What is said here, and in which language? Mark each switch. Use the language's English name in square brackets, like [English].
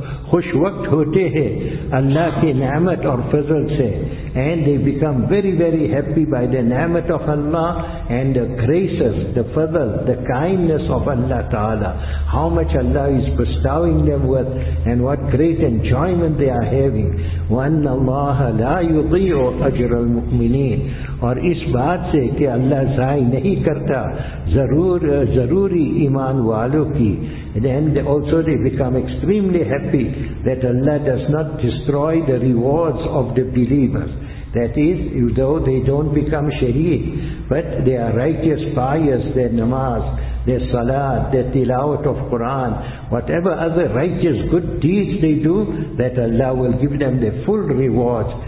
[Urdu] خوش وقت ہوتے ہیں اللہ کی نعمت اور فضل سے. [English] And they become very very happy by the نعمت of Allah and the graces, the fadl, the kindness of Allah Ta'ala. How much Allah is bestowing them with and what great enjoyment they are having. [Arabic] وَأَنَّ اللَّهَ لَا يُضِيعُ أَجْرَ الْمُؤْمِنِينَ. [Urdu] اور اس بات سے کہ اللہ ضائع نہیں کرتا ضروری ایمان والوں کی. [English] Then also they become extremely happy that Allah does not destroy the rewards of the believers. That is, though they don't become shaheed, but they are righteous, pious, their namaz, their salat, their tilawat of Quran, whatever other righteous good deeds they do, that Allah will give them the full rewards.